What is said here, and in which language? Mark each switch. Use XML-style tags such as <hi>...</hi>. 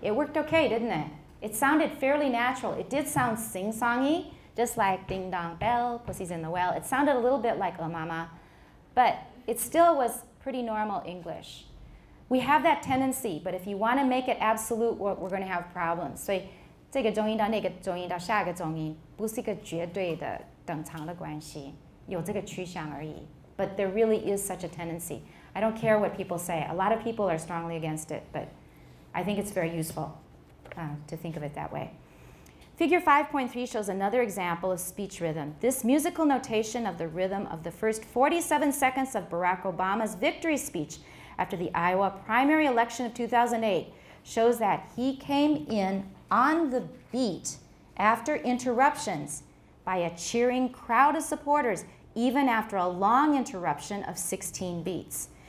<en>It worked okay, didn't it? It sounded fairly natural. It did sound sing-songy, just like ding-dong bell, pussy's in the well. It sounded a little bit like La Mama, but it still was pretty normal English. We have that tendency, but if you want to make it absolute, we're going to have problems.</en> <zh>So, 这个重音到那个重音到下个重音不是一个绝对的等长的关系，有这个趋向而已。</zh> <en>But there really is such a tendency. I don't care what people say. A lot of people are strongly against it, but I think it's very useful, to think of it that way. Figure 5.3 shows another example of speech rhythm. This musical notation of the rhythm of the first 47 seconds of Barack Obama's victory speech after the Iowa primary election of 2008 shows that he came in on the beat after interruptions by a cheering crowd of supporters, even after a long interruption of 16 beats.</en>